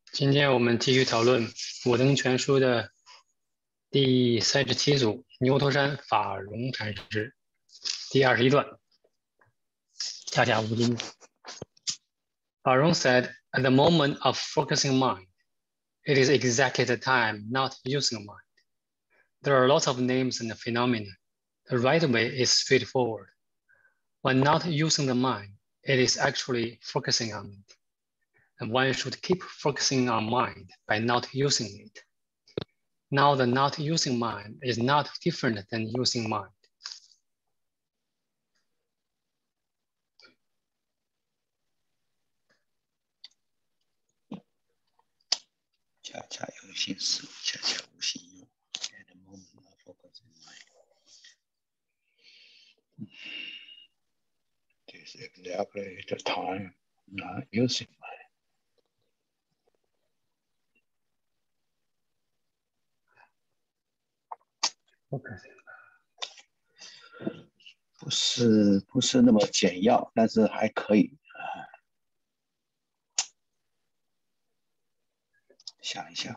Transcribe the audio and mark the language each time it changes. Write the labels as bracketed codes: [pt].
[zh] 今天我们继续讨论《五灯全书》的第37组“牛头山法融禅师”第21段，恰恰无尽。 [en] 法融 said, "At the moment of focusing mind, it is exactly the time not using mind. There are lots of names and phenomena. The right way is straightforward. When not using the mind, it is actually focusing on it." And one should keep focusing on mind by not using it. Now the not using mind is not different than using mind. [zh] 恰恰有心思，恰恰无心用。 [en] At the moment of focusing mind. This is exactly the time not using mind. [zh] 不是那么简要，但是还可以想一想，